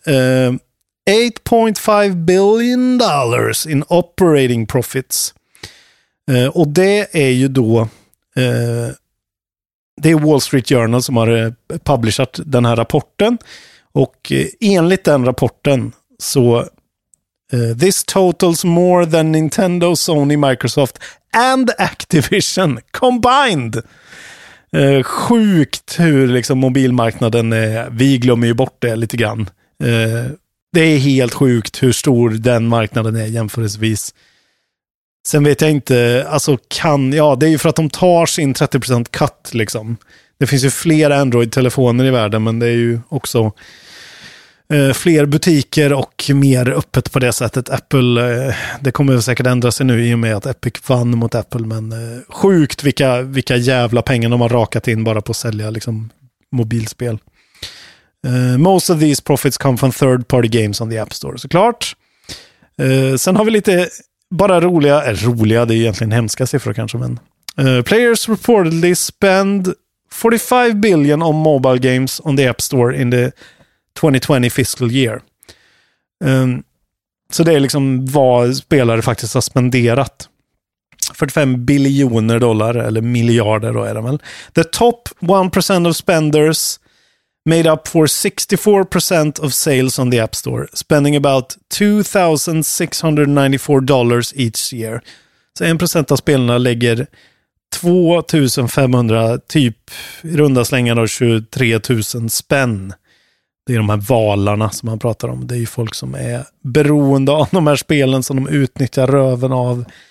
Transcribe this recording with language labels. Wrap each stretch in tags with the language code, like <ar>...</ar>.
<en>8.5 billion dollars in operating profits.</en> <sv>Och det är ju då... Det är Wall Street Journal som har publicerat den här rapporten. Och enligt den rapporten så...</sv> <en>this totals more than Nintendo, Sony, Microsoft and Activision combined.</en> <sv>Sjukt hur liksom mobilmarknaden är. Vi glömmer ju bort det lite grann. Det är helt sjukt hur stor den marknaden är jämförelsevis. Sen vet jag inte, alltså kan, ja, det är ju för att de tar sin 30% cut liksom. Det finns ju flera Android-telefoner i världen, men det är ju också fler butiker och mer öppet på det sättet. Apple, det kommer säkert ändra sig nu i och med att Epic vann mot Apple, men sjukt vilka jävla pengar de har rakat in bara på att sälja liksom mobilspel.</sv> <en>Most of these profits come from third party games on the App Store,</en> <sv>såklart. Sen har vi lite bara roliga, roliga, det är egentligen hemska siffror kanske, men</sv> <en>players reportedly spend 45 billion on mobile games on the App Store in the 2020 fiscal year.</en> <sv>Så det är liksom vad spelare faktiskt har spenderat. 45 biljoner dollar, eller miljarder då är det väl.</sv> <en>The top 1% of spenders made up for 64% of sales on the App Store, spending about $2,694 each year.</en> <sv>Så 1% av spelarna lägger 2500, typ runda slängar av 23 000 spänn. Det är de här valarna som man pratar om. Det är ju folk som är beroende av de här spelen som de utnyttjar röven av.</sv>